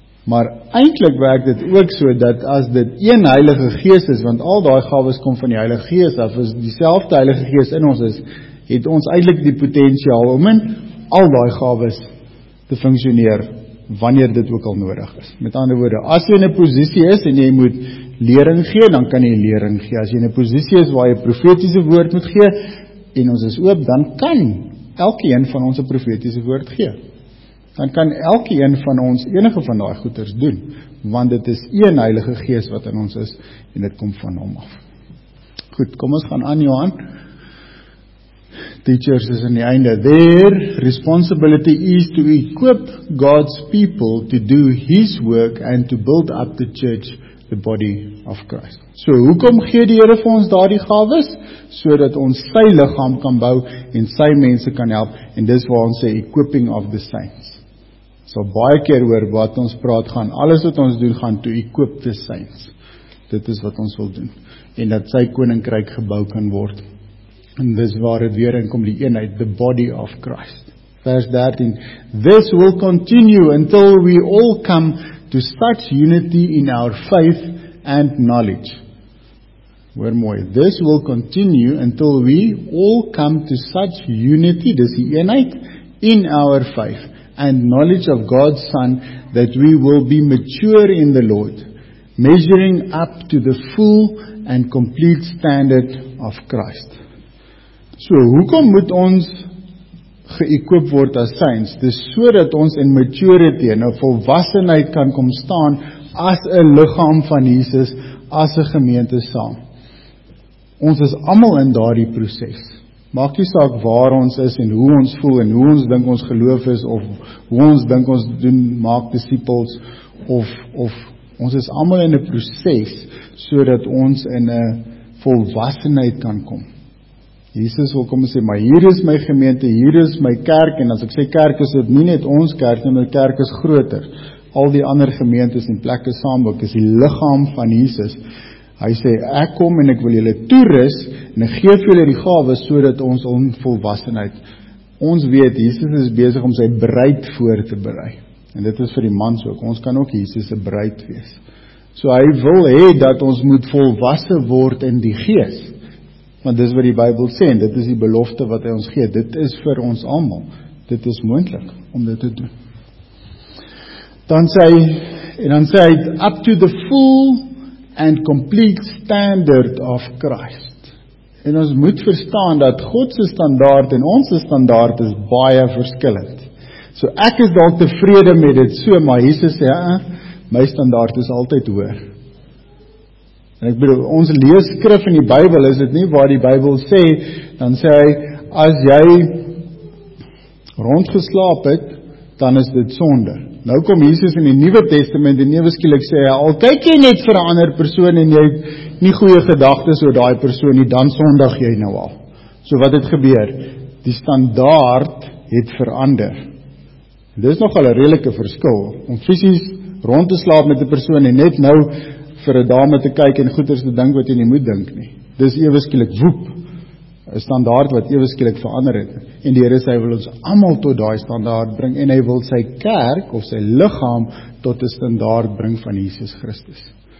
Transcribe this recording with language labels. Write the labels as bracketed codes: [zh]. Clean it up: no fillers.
[af] Maar eintlik werk dit ook so dat as dit een Heilige Gees is, want al daai gawes kom van die Heilige Gees, of as dieselfde Heilige Gees in ons is, het ons eintlik die potensiaal om in al daai gawes te funksioneer wanneer dit ook al nodig is. Met ander woorde, as jy in 'n posisie is en jy moet lering gee, dan kan jy lering gee. As jy in 'n posisie is waar jy profetiese woord moet gee en ons is oop, dan kan elkeen van ons 'n profetiese woord gee. Dan kan elkeen van ons enige van daai goeders doen, want dit is een Heilige Gees wat in ons is en dit kom van hom af. Goed, kom ons gaan aan, Johan. Teachers is in die einde. [en] Their responsibility is to equip God's people to do his work and to build up the church, the body of Christ. [af] So, hoekom gee die Here vir ons daardie gawes? Sodat ons sy liggaam kan bou en sy mense kan help. En dis waar ons sê [en] equipping of the saints. [af] So, baie keer oor wat ons praat gaan, alles wat ons doen gaan [en] to equip the saints. [af] Dit is wat ons wil doen. En dat sy koninkryk gebou kan word. En dis waar het weer inkom die eenheid, [en] the body of Christ. [af] Vers 13, [en] this will continue until we all come to such unity in our faith and knowledge. [af] Hoor mooi, [en] this will continue until we all come to such unity, [af] dis die eenheid, [en] in our faith and knowledge of God's Son, that we will be mature in the Lord, measuring up to the full and complete standard of Christ. [af] So, hoekom moet ons geëquip word as saints? Dis so dat ons in maturity, in 'n volwassenheid kan kom staan as 'n liggaam van Jesus, as 'n gemeente saam. Ons is allemaal in daardie proses. Maak nie saak waar ons is en hoe ons voel en hoe ons dink ons geloof is of hoe ons dink ons doen, maak disciples of ons is allemaal in 'n proses so dat ons in 'n volwassenheid kan kom. Jesus wil kom en sê, maar hier is my gemeente, hier is my kerk, en as ek sê kerk is dit nie net ons kerk, en my kerk is groter. Al die ander gemeentes en plekke saamboek is die liggaam van Jesus. Hy sê, ek kom en ek wil julle toerus, en ek geef julle die gawes, so dat ons onvolwassenheid. Ons weet, Jesus is bezig om sy bruid voor te berei. En dit is vir die mans ook, ons kan ook Jesus se bruid wees. So hy wil hê dat ons moet volwassen word in die gees. Want dis wat die Bybel sê, en dit is die belofte wat hy ons gee. Dit is vir ons allemaal. Dit is moontlik om dit te doen. Dan sê hy, [en] up to the full and complete standard of Christ. [af] En ons moet verstaan dat Godse standaard en onse standaard is baie verskillend. So ek is dalk tevrede met dit so, maar Jesus sê, my standaard is altyd hoër. En ek bedoel, ons leeskrif in die Bybel is dit nie waar die Bybel sê, dan sê hy, as jy rondgeslaap het, dan is dit sonde. Nou kom Jesus in die Nuwe Testament en ewesklik sê hy, al kyk jy net vir 'n ander persoon en jy het nie goeie gedagtes oor daai persoon nie, dan sondig jy nou al. So wat het gebeur? Die standaard het verander. Dit is nogal 'n redelike verskil, om fisies rond te slaap met 'n persoon en net nou vir 'n dame te kyk en goeders te dink wat jy nie moet dink nie. Dis eweskielik woep, 'n standaard wat eweskielik verander het. En die Here sê, hy wil ons allemaal tot daai standaard bring, en hy wil sy kerk of sy liggaam tot 'n standaard bring van Jesus Christus.